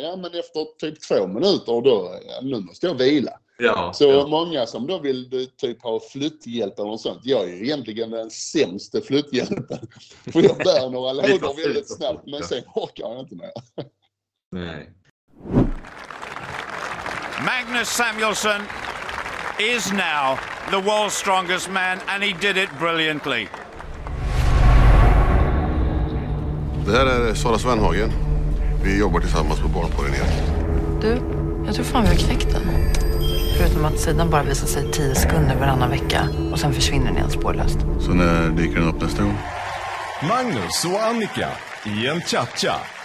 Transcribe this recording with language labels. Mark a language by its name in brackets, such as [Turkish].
[Swedish] Ja, men efter typ 2 minuter då, ja, nu måste jag vila. Ja, så ja, många som då vill typ ha flytthjälp eller något sånt. Jag är egentligen den sämsta flytthjälpen. För jag bär några lådor väldigt snabbt. Men sen orkar jag inte mer. Nej. [English] Magnus Samuelsson is now the world's strongest man, and he did it brilliantly. [Swedish] Det här är Sara Svenhagen. Vi jobbar tillsammans på barnporrenhet. Du, jag tror fan vi har knäckt den. Förutom att sidan bara visar sig 10 sekunder varannan vecka, och sen försvinner den spårlöst. Så när dyker den upp nästa gång? Magnus och Annika i en cha-cha.